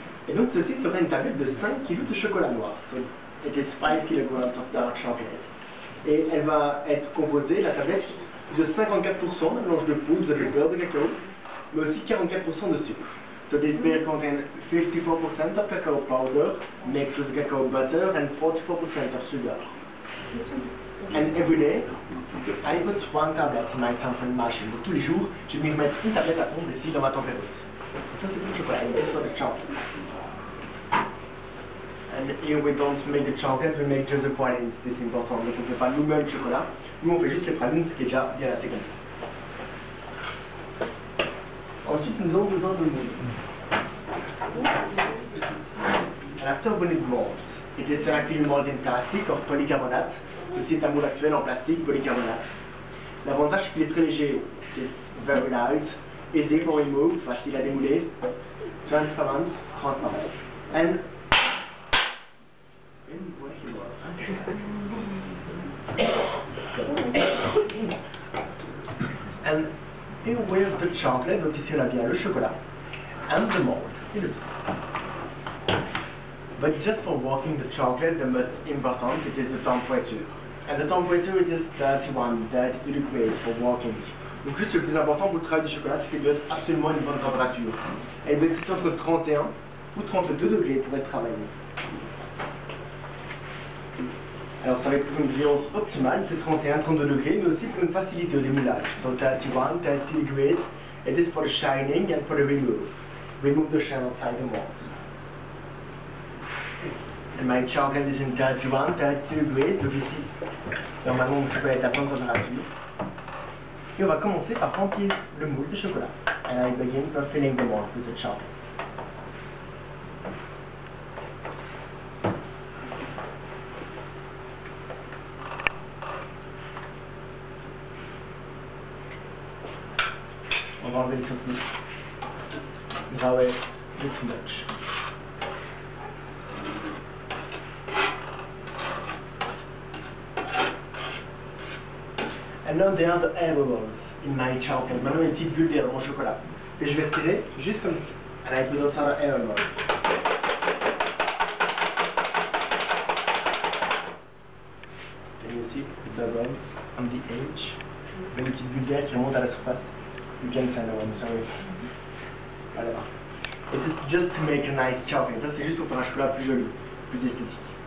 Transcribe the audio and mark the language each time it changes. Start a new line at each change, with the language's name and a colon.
French: Et donc ceci serait une tablette de 5 kg de chocolat noir. Donc,
English: it is 5 kg of dark chocolate.
French: Et elle va être composée, la tablette, de 54% de mélange de poudre, de beurre de cacao, mais aussi 44% de sucre.
English: So this beer contains 54% of cacao powder, mixed with cacao butter, and 44% of sugar. And every day, I put one tablet in my tamper machine.
French: Donc tous les jours, je vais mettre une tablette à fondre ici dans ma tamper. Ça c'est pour le chocolat, et c'est pour le chocolat.
English: And here we don't make the chocolate, we make just the pralines.
French: C'est important, donc on ne fait pas nous-mêmes le chocolat. Nous on fait juste les pralines, ce qui est déjà bien assez comme ça. Ensuite, nous avons besoin de moules.
English: And after when it molds, it is selectively molded in plastic or polycarbonate.
French: Ceci est un moule actuel en plastique, polycarbonate. L'avantage c'est qu'il est très léger, c'est
English: very light, easy to remove,
French: facile à démouler, transparent.
English: And here we have the chocolate,
French: donc ici on a bien le chocolat,
English: and the mold. But just for working the chocolate, the most important it is the temperature. And the temperature is 31 degrees for working.
French: Donc juste le plus important pour le travail du chocolat, c'est qu'il doit être absolument une bonne température. Et il doit être entre 31 ou 32 degrés pour être travaillé. Alors ça va être pour une brillance optimale, c'est 31-32 degrés, mais aussi pour une facilité au démoulage.
English: So 31-32 degrés, it is for the shining and for the remove. Remove the shine outside the mold. And my chocolate is in 31-32 degrees,
French: donc ici, normalement, je peux être à prendre dans la suite. Et on va commencer par remplir le moule de chocolat.
English: And I begin by filling the mold with the chocolate.
French: On va enlever le surplus.
English: Now it's too much. And now there are the air bubbles in my chocolate.
French: Maintenant, une petite bulle d'air dans mon chocolat. Et je vais tirer juste comme ça.
English: And I put outside the air bubbles. Can you see the bubbles on the edge?
French: Une petite bulle d'air qui remonte à la surface.
English: You can send one, sorry.
French: Voilà.
English: It is just to make a nice chocolate.
French: Ça, c'est juste pour faire un chocolat plus joli, plus esthétique.